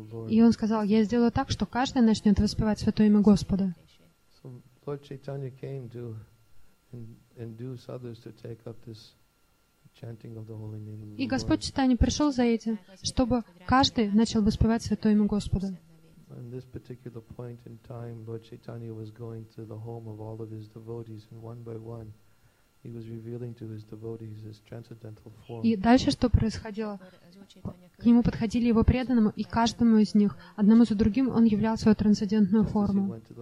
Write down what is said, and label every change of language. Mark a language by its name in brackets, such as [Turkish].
[Russian] И он сказал, я сделаю так, что каждый начнет воспевать святое имя Господа. [English] Lord Chaitanya came to induce others to take up this chanting of the holy name of the Lord. [Russian] И Господь Чайтанья пришел за этим, чтобы каждый начал воспевать святое имя Господа. [English] In this particular point in time, Lord Chaitanya was going to the home of all of his devotees, and one by one, he was revealing to his devotees his transcendental form. [Russian] И дальше что происходило? К нему подходили его преданному, и каждому из них, одному за другим, он являл свою трансцендентную форму.